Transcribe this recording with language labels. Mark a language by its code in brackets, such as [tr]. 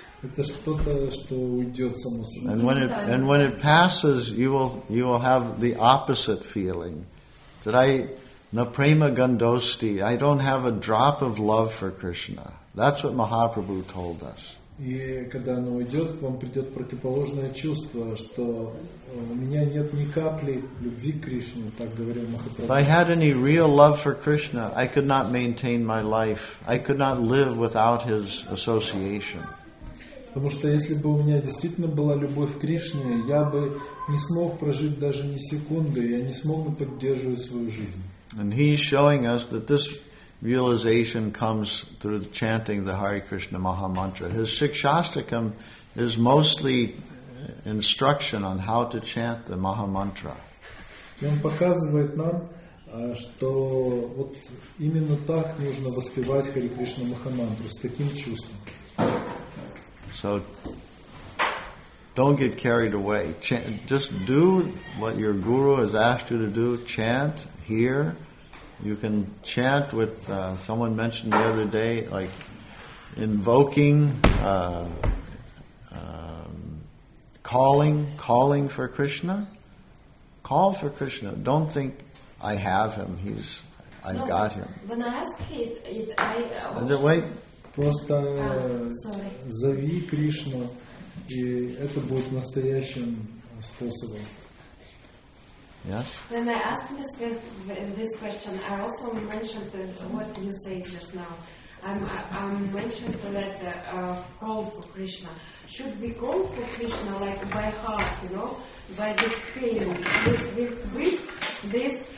[ru] Это что-то, что уйдет само собой. [en] And when it passes, you will have the opposite feeling. That I, [sa] na prema gandosti, [en] I don't have a drop of love for Krishna. That's what Mahaprabhu told us. [ru] И когда оно уйдет, к вам придет противоположное чувство, что у меня нет ни капли любви к Кришне, так говорил Махапрабху. [en] If I had any real love for Krishna, I could not maintain my life. I could not live without his association. [ru] Потому что если бы у меня действительно была любовь к Кришне, я бы не смог прожить даже ни секунды, я не смог бы поддерживать свою жизнь. [en] And he's showing us that this realization comes through the chanting the Hare Krishna Maha Mantra. His Shikshastakam is mostly instruction on how to chant the Maha Mantra. [ru] И он показывает нам, что вот именно так нужно воспевать Хари Кришна Маха Мантру, с таким чувством. [en] So, don't get carried away. Just do what your guru has asked you to do. Chant here. You can chant with someone mentioned the other day, like invoking, calling for Krishna. Call for Krishna. Don't think I have him. I've got him. When I ask it, I. Wait. [ru] Просто зови Кришну, и это будет настоящим способом. [en] Yes? When I asked this question, I also mentioned what you say just now. I mentioned that call for Krishna. Should we call for Krishna like by heart, you know, by this feeling, with this feeling?